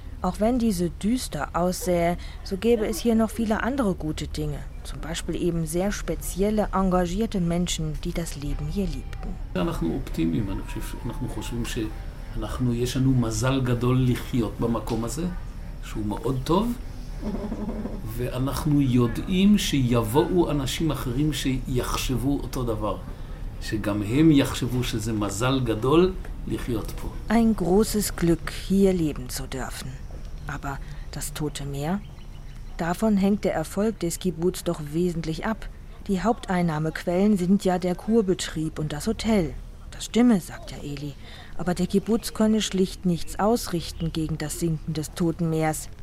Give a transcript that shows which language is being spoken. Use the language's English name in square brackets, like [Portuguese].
[German] Auch wenn diese düster aussähe, so gäbe es hier noch viele andere gute Dinge. Zum Beispiel eben sehr spezielle, engagierte Menschen, die das Leben hier liebten. Wir sind optimistisch. Wir denken, dass wir ein großes Glück haben, in diesem Ort zu leben, der sehr gut ist. [Hebrew] ואנחנו יודעים שיבואו אנשים אחרים שיחשבו אותו דבר, שגם הם יחשבו שזה מזל גדול [German] Ein großes Glück, hier leben zu dürfen. Aber das Tote Meer? Davon hängt der Erfolg des Kibbutz doch wesentlich ab. Die Haupteinnahmequellen sind ja der Kurbetrieb und das Hotel. Das stimme, sagt ja Eli. Aber der Kibbutz könne schlicht nichts ausrichten gegen das Sinken des Toten Meers.